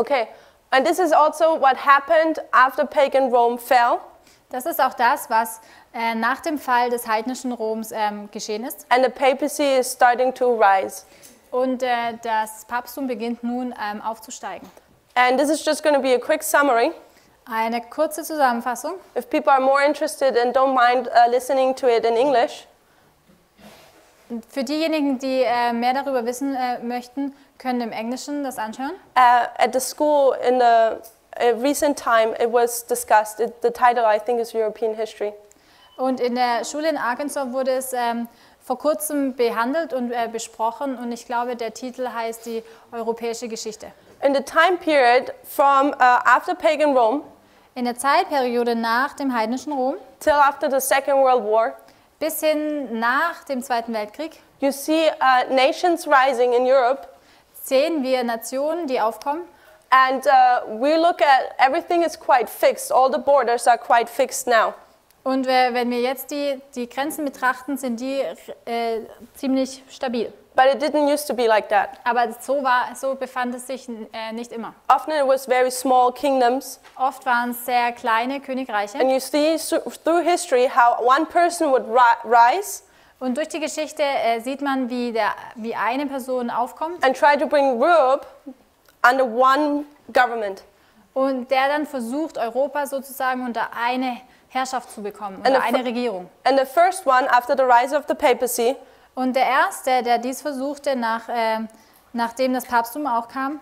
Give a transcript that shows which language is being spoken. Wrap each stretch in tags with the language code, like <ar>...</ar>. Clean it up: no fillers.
<en>Okay, and this is also what happened after pagan Rome fell.</en> <de>Das ist auch das, was nach dem Fall des heidnischen Roms geschehen ist.</de> <en>And the papacy is starting to rise.</en> <de>Und das Papsttum beginnt nun aufzusteigen.</de> <en>And this is just going to be a quick summary.</en> <de>Eine kurze Zusammenfassung.</de> <en>If people are more interested and don't mind listening to it in English.</en> <de>Für diejenigen, die mehr darüber wissen möchten, können im Englischen das anschauen.</de> <en>At the school in the recent time it was discussed. The title I think is European History.</en> <de>Und in der Schule in Arkansas wurde es vor kurzem behandelt und besprochen und ich glaube, der Titel heißt die europäische Geschichte.</de> <en>In the time period from after pagan Rome.</en> <de>In der Zeitperiode nach dem heidnischen Rom.</de> <en>Till after the Second World War.</en> <de>Bis hin nach dem Zweiten Weltkrieg.</de> <en>You see nations rising in Europe.</en> <de>Sehen wir Nationen, die aufkommen.</de> <en>And we look at everything is quite fixed. All the borders are quite fixed now.</en> <de>Und wenn wir jetzt die Grenzen betrachten, sind die ziemlich stabil.</de> <en>But it didn't used to be like that.</en> <de>Aber so befand es sich nicht immer.</de> <en>Often it was very small kingdoms.</en> <de>Oft waren es sehr kleine Königreiche.</de> <en>And you see through history how one person would rise.</en> <de>Und durch die Geschichte sieht man, wie eine Person aufkommt.</de> <en>And try to bring Europe under one government.</en> <de>Und der dann versucht, Europa sozusagen unter eine Herrschaft zu bekommen, oder eine Regierung.</de> <en>And the first one after the rise of the papacy.</en> <de>Und der erste, der dies versuchte, nachdem das Papsttum auch kam,</de>